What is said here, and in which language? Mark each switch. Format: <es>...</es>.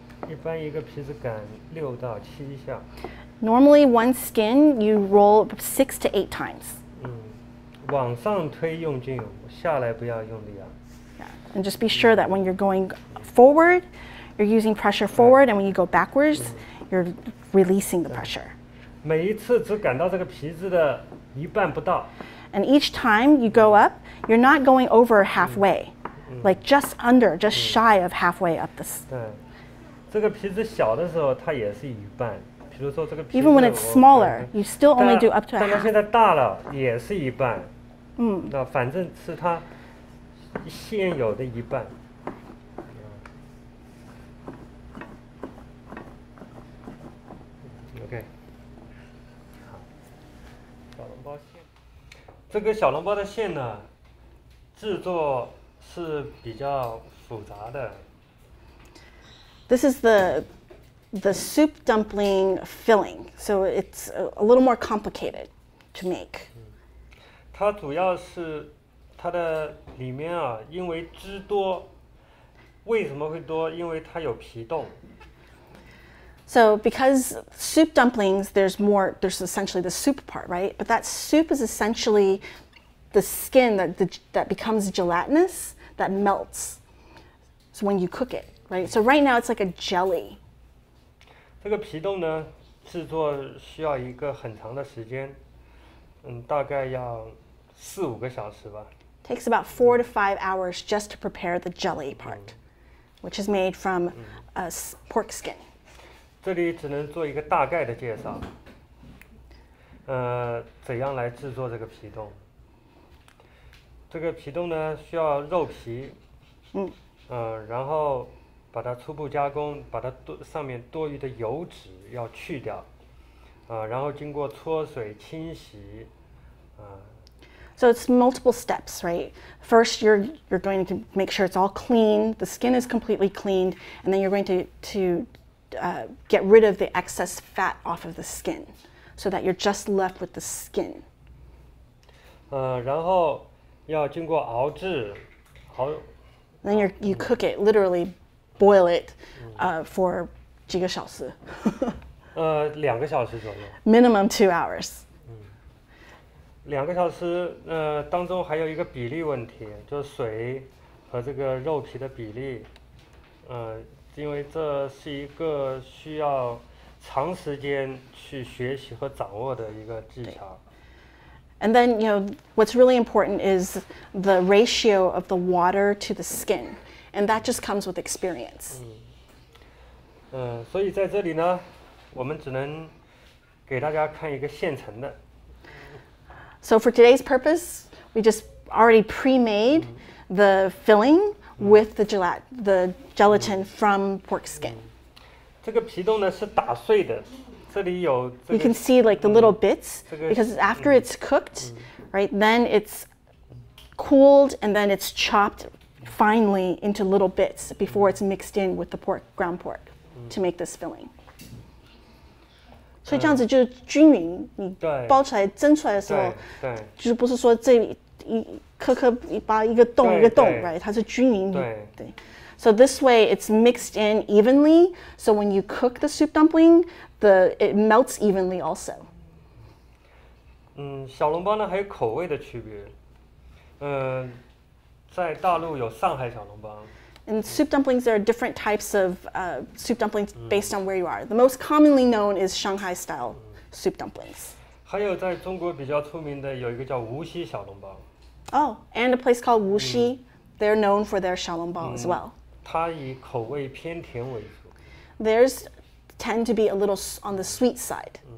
<zh>一般一个皮子擀6到7下。</zh> <en>Normally, one skin you roll 6 to 8 times.</en> <zh>往上推用劲，下来不要用力啊。</zh> <en>Yeah. And just be sure that when you're going forward, you're using pressure forward, and when you go backwards, you're releasing the pressure.</en> <zh>每一次只感到这个皮子的一半不到。</zh> <en>And each time you go up, you're not going over halfway, like just under, just shy of halfway up this.</en> <zh>这个皮子小的时候，它也是一半。</zh> <en>Even when it's smaller, you still only do up to a half.</en> <zh>但它现在大了，也是一半。那反正是它现有的一半。 OK。 好，小笼包馅。这个小笼包的馅呢，制作是比较复杂的。</zh> <en>This is the soup dumpling filling, so it's a little more complicated to make.</en> <zh>它主要是它的里面啊，因为汁多，为什么会多？因为它有皮冻。</zh> <en>So because soup dumplings, there's essentially the soup part, right? But that soup is essentially the skin that becomes gelatinous, that melts so when you cook it, right? So right now it's like a jelly.</en> <zh>这个皮冻呢，制作需要一个很长的时间，大概要四五个小时吧。</zh> <en>Takes about 4 to 5 hours just to prepare the jelly part, which is made from a pork skin.</en> <zh>这里只能做一个大概的介绍。怎样来制作这个皮冻？这个皮冻呢，需要肉皮。然后。把它初步加工，把它上面多余的油脂要去掉，然后经过搓水清洗，</zh> <en>So it's multiple steps, right? First, you're going to make sure it's all clean, the skin is completely cleaned, and then you're going to get rid of the excess fat off of the skin, so that you're just left with the skin.</en> <zh>然后要经过熬制，</zh> <en>Then you cook it literally. Boil it for</en> <zh>几个小时两个小时左右</zh> <en>Minimum 2 hours</en> <zh>两个小时当中还有一个比例问题就是水和这个肉皮的比例因为这是一个需要长时间去学习和掌握的一个技巧</zh> <en>And then, you know, what's really important is the ratio of the water to the skin. And that just comes with experience.</en> <zh>所以在这里呢，我们只能给大家看一个现成的。</zh> <en>So for today's purpose, we just already pre-made the filling with the gelatin from pork skin.</en> <zh>这个皮冻呢是打碎的，这里有、这个。</zh> <en>You can see like the little bits because after it's cooked, right? Then it's cooled and then it's chopped. Finally, into little bits before it's mixed in with the pork, ground pork, to make this filling.</en> <zh>So, 这样子就均匀，你包出来、蒸出来的时候，就不是说这里一颗颗一把一个洞一个洞 ，right? 它是均匀的。对。</zh> <en>So this way, it's mixed in evenly. So when you cook the soup dumpling, it melts evenly also.</en> <zh>小笼包呢还有口味的区别，在大陆有上海小笼包。</zh> <en>And soup dumplings, there are different types of soup dumplings based on where you are. The most commonly known is Shanghai style soup dumplings.</en> <zh>还有在中国比较出名的有一个叫无锡小笼包。</zh> <en>Oh, and a place called 无锡, they're known for their 小笼包 as well.</en> <zh>它以口味偏甜为主。</zh> <en>Theirs tend to be a little on the sweet side.</en>